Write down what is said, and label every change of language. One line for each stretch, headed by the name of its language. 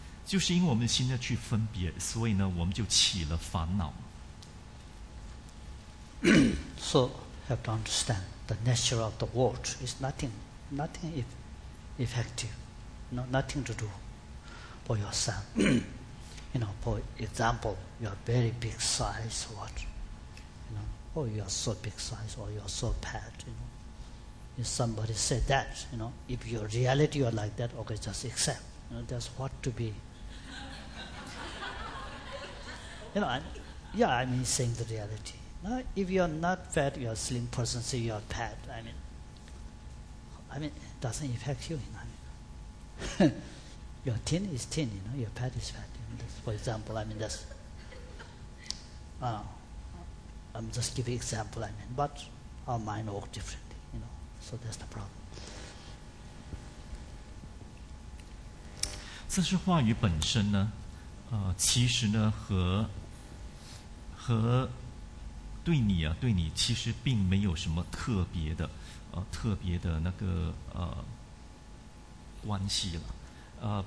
Chinese: 就是因为我们心在去分别，所以呢，我们就起了烦恼。
English: So have to understand the nature of the world is nothing effective, no, nothing to do for your son. You know, for example, you are very big size, what? You know, oh, you are so big size, or you are so fat. You know, if somebody said that, you know, if your reality you are like that, okay, just accept. You know, that's what to be. You know, I mean, saying the reality. Now, if you are not fat, you are a slim person, say you are fat, I mean, it doesn't affect you, you know. I mean, your thin is thin, you know, your fat is fat. You know, for example, I mean, that's, I'm just giving example, I mean, but our mind works differently, you know, so that's the problem.
Chinese: 这是话语本身呢，其实呢和对你啊，对你其实并没有什么特别的那个关系了。